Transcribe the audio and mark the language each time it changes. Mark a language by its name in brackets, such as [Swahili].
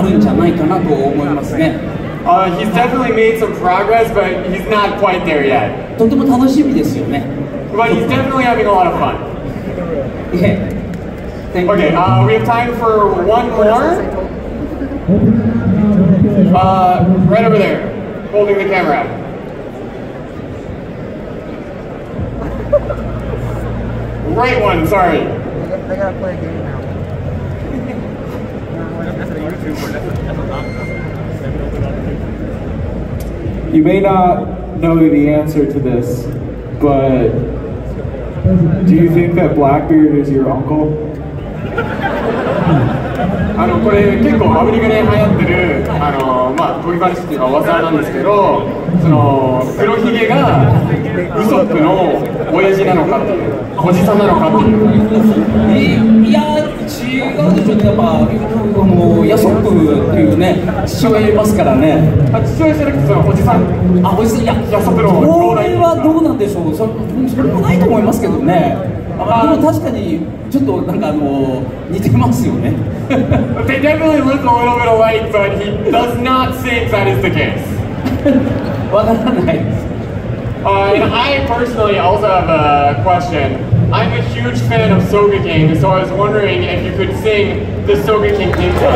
[Japanese] まあその嘘っぽいの夢がその勇気を持ってすごいあの海賊になることなんですけど、それはもう叶ってるんですか？どうでしょうね。まだこれから部分もあるんじゃないかなと思いますね。 [English] He's definitely made some progress, but he's not quite there yet. [Japanese] とても楽しみですよね。 [English] But he's definitely having a lot of fun. Yeah. Okay, we have time for one more. Right over there, holding the camera. Wow. Right one, sorry. They gotta play a game now. You may not know the answer to this, but do you think that Blackbeard is your uncle? [Japanese] あのこれ結構アメリカで流行ってるあのまあトリバリスっていうのは噂なんですけど、その黒ひげがウソップの親父なのかっていう、おじさんなのかっていう。いや違うでしょうね、やっぱあのヤソップっていうね父親いますからね。あ父親じゃなくてそのおじさん。あおじさん、いやヤソップのローライン。これはどうなんでしょう、それもないと思いますけどね。でも確かにちょっとなんかあの似てますよね。 [English] They definitely look a little bit alike, but he does not think that is the case. [Japanese] わからないです。 [English] And I personally also have a question. I'm a huge fan of Soga King, so I was wondering if you could sing the Soga King theme song.